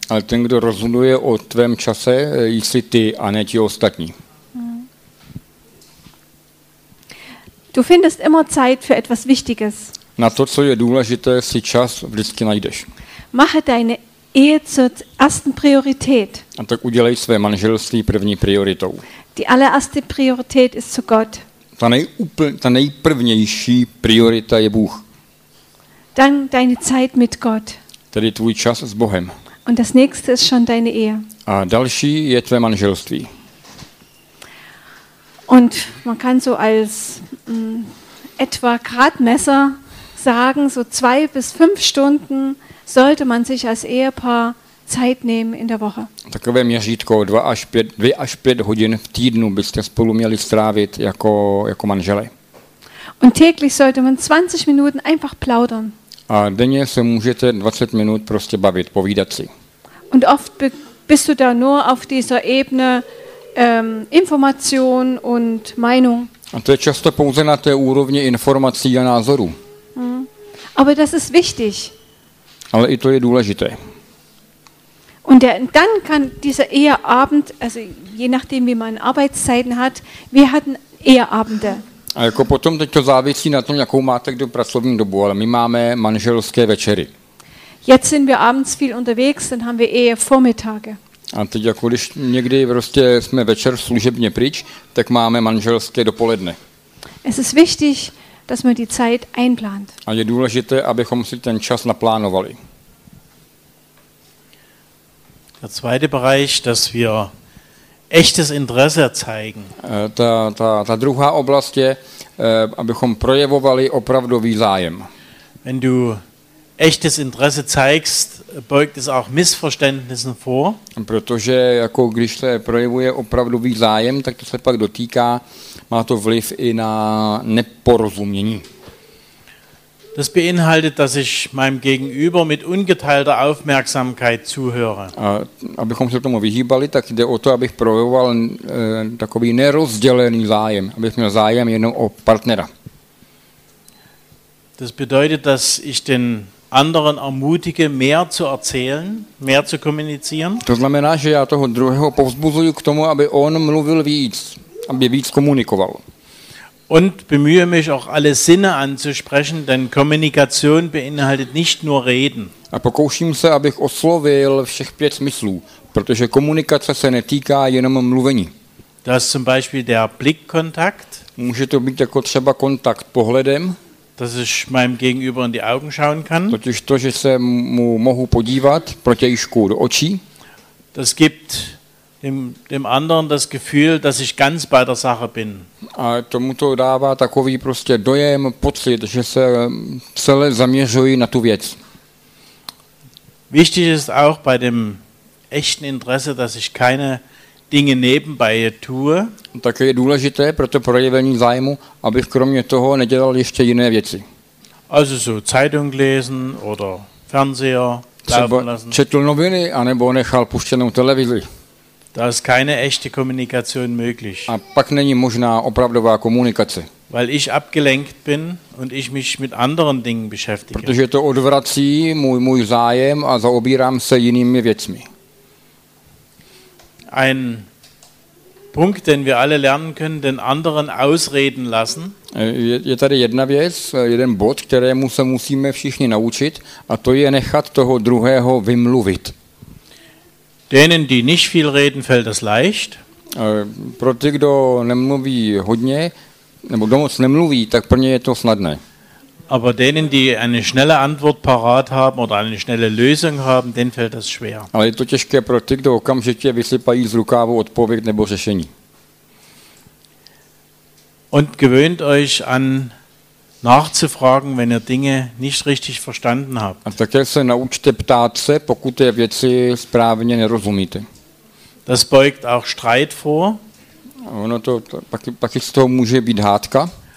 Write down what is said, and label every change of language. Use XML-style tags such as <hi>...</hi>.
<cs>Ale ten, kdo rozhoduje o tvém čase, jsi ty a ne ti ostatní.</cs> <de>Du findest immer Zeit für etwas Wichtiges.</de> <cs>Na to, co je důležité, si čas vždycky najdeš.</cs> <de>Mache deine Ehe zur ersten Priorität.</de> <cs>A tak udělej své manželství první prioritou.</cs> <de>Die allererste Priorität ist zu Gott.</de> <cs>Ta nejprvnější priorita je Bůh.</cs> <de>Dann deine Zeit mit Gott.</de> <cs>Tedy tvůj čas s Bohem.</cs> <de>Und das nächste ist schon deine Ehe.</de> <cs>A další je tvé manželství.</cs> <de>Und man kann so als etwa Gradmesser sagen, so 2 bis 5 Stunden sollte man sich als Ehepaar Zeit nehmen in der Woche.</de> <cs>Takové měřítko, 2 až 5 hodin v týdnu byste spolu měli strávit jako manžele.</cs> <de>Und täglich sollte man 20 Minuten einfach plaudern.</de> <cs>A denně se můžete 20 minut prostě bavit, povídat si.</cs> <de>Und oft bist du da nur auf dieser Ebene Information und Meinung.</de> <cs>A to je často pouze na té úrovni informací a názorů.</cs> <de>Aber das ist wichtig.</de> <cs>Ale i to je důležité.</cs> <de>Und dann kann dieser Eheabend, also je nachdem wie man Arbeitszeiten hat, wir hatten Eheabende.</de> <cs>A jako potom teď to závisí na tom, jakou máte kdo pracovní dobu, ale my máme manželské večery.</cs> <de>Jetzt sind wir abends viel unterwegs, dann haben wir Ehevormittage.</de> <cs>A teď jako když někdy prostě jsme večer služebně pryč, tak máme manželské dopoledne.</cs> <de>Es ist wichtig, dass man die Zeit einplant.</de> <cs>A je důležité, abychom si ten čas naplánovali.</cs> <de>Der zweite Bereich, dass wir echtes Interesse zeigen.</de> <cs>Ta druhá oblast je, abychom projevovali opravdový zájem.</cs> <de>Wenn du echtes Interesse zeigst, beugt es auch Missverständnissen vor.</de> <cs>Protože jako když se projevuje opravdový zájem, tak to se pak dotýká, má to vliv i na neporozumění.</cs> <de>Das beinhaltet, dass ich meinem Gegenüber mit ungeteilter Aufmerksamkeit zuhöre.</de> <cs>Abychom se tomu vyhýbali, tak jde o to, abych projevoval takový nerozdělený zájem, abych měl zájem jenom o partnera.</cs> <de>Das bedeutet, dass ich den anderen ermutige, mehr zu erzählen, mehr zu kommunizieren.</de> <cs>To znamená, že já toho druhého povzbuzuju k tomu, aby on mluvil víc, aby víc komunikoval.</cs> <de>Und bemühe mich auch alle Sinne anzusprechen, denn Kommunikation beinhaltet nicht nur Reden.</de> <cs>A pokouším se, abych oslovil všech 5 smyslů, protože komunikace se netýká jenom mluvení.</cs> <de>Das ist zum Beispiel der Blickkontakt.</de> <cs>Může to být jako třeba kontakt pohledem.</cs> <de>Dass ich meinem Gegenüber in die Augen schauen kann.</de> <cs>Totiž to, že se mu mohu podívat protějšku do očí.</cs> <de>Das gibt dem anderen das Gefühl, dass ich ganz bei der Sache bin.</de> <cs>A tomu to dává takový prostě dojem, pocit, že se celé zaměřuji na tu věc.</cs> <de>Wichtig ist auch bei dem echten Interesse, dass ich keine Dinge nebenbei tue.</de> <cs>Také je důležité pro to projevení zájmu, abych kromě toho nedělal ještě jiné věci.</cs> <de>Also so Zeitung lesen oder Fernseher laufen lassen.</de> <cs>Četl noviny, anebo nechal puštěnou televizi.</cs> <de>Da ist keine echte Kommunikation möglich.</de> <cs>A pak není možná opravdová komunikace.</cs> <de>Weil ich abgelenkt bin und ich mich mit anderen Dingen beschäftige.</de> <cs>Protože to odvrací můj zájem a zaobírám se jinými věcmi.</cs> <de>Ein Punkt, den wir alle lernen können, den anderen ausreden lassen.</de> <cs>Je tady jedna věc, jeden bod, kterému se musíme všichni naučit, a to je nechat toho druhého vymluvit.</cs> <de>Denen, die nicht viel reden, fällt das leicht.</de> <cs>Pro ty, kdo nemluví hodně, nebo kdo moc nemluví, tak pro ně je to snadné.</cs> <de>Aber denen, die eine schnelle Antwort parat haben oder eine schnelle Lösung haben, denen fällt das schwer.</de> <cs>Ale je to těžké pro ty, kdo okamžitě vysypají z rukávu odpověď nebo řešení.</cs> <de>Und gewöhnt euch an nachzufragen, wenn ihr Dinge nicht richtig verstanden habt.</de> <cs>A také se naučte ptát se, pokud je věci správně nerozumíte.</cs> <de>Das beugt auch Streit vor.</de> <cs>Ono to pak z toho může být hádka.</cs>